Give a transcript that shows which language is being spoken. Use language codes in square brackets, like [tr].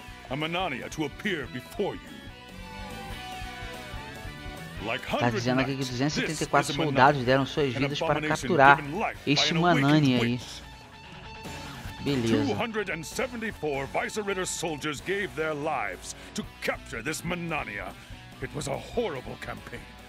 [en] A Manania to appear before you. [pt] Tá dizendo aqui que 234 soldados deram suas vidas para capturar este Manani aí. Beleza. [en] 274 Vicerator soldiers gave their lives to capture this Manania. It was a horrible campaign.